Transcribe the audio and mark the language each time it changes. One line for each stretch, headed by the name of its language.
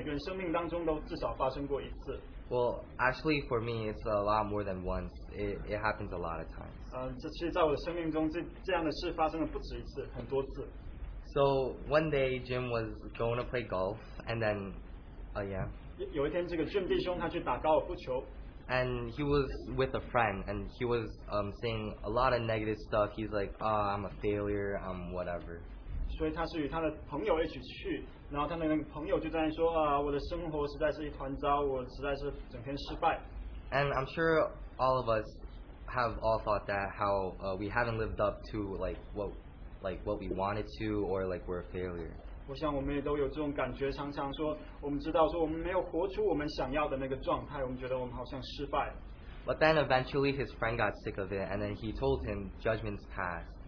Chinese: 我觉得这是一个很有趣的故事，我想在我们每个人生命当中都至少发生过一次。
English: Well, actually for me, it's a lot more than once. It happens a lot of times.
Chinese: 这其实在我的生命中，这样的事发生了不止一次，很多次。
English: So one day, Jim was going to play golf, and then, yeah.
Chinese: 有一天，这个Jim弟兄他去打高尔夫球。
English: And he was with a friend, and he was saying a lot of negative stuff. He's like, "Oh, I'm a failure. I'm whatever."
Chinese: 所以他是与他的朋友一起去，然后他的那个朋友就在说啊，我的生活实在是一团糟，我实在是整天失败。
English: And I'm sure all of us have all thought that how we haven't lived up to like what we wanted to, or like we're a failure.
Chinese: 我想我们也都有这种感觉，常常说我们知道说我们没有活出我们想要的那个状态，我们觉得我们好像失败。
English: But then eventually his friend got sick of it, and then he told him judgment's passed.